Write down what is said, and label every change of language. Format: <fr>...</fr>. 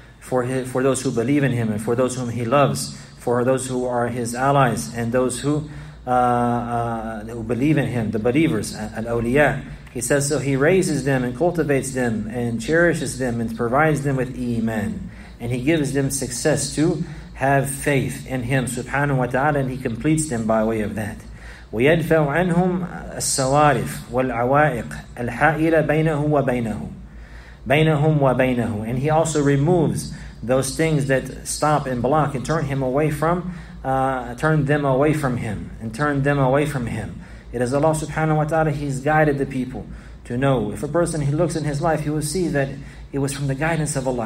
<en>For those who believe in Him and for those whom He loves, for those who are His allies and those who believe in Him, the believers, al-awliya. He says, so He raises them and cultivates them and cherishes them and provides them with iman. And He gives them success to have faith in Him, subhanahu wa ta'ala, and He completes them by way of that.</en> <ar>ويدفع عنهم السوارف والعوائق الحائلة بينه وبينه بينهم وبينه.</ar> <en>And he also removes those things that stop and block and turn him away from, turn them away from him, and turn them away from him. It is Allah subhanahu wa ta'ala, He's guided the people to know. If a person, he looks in his life, he will see that it was from the guidance of Allah.</en>